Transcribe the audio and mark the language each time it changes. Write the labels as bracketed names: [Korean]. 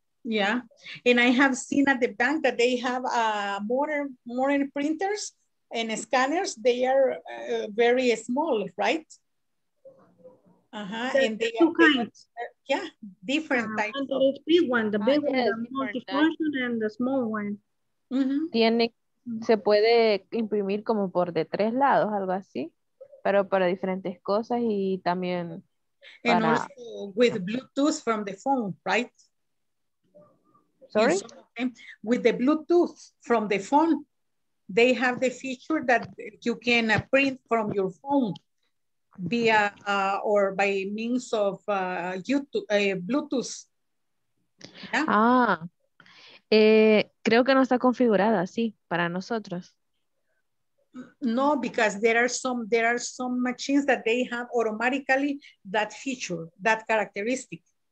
[English] Yeah, and I have seen at the bank that they have modern printers and scanners. They are very small, right? And they two kinds. Different types. And the big one, the big one, the multifunction, and the small one. [Spanish] Tiene, se puede imprimir como por de tres lados, algo así, pero para diferentes cosas y también. [English] And para... also with Bluetooth from the phone, right? Sorry? With the Bluetooth from the phone, they have the feature that you can print from your phone via or by means of YouTube, Bluetooth. Yeah? [Spanish] Creo que no está configurada, sí, para nosotros. [English] No, because there are some machines that they have automatically that feature, that characteristic.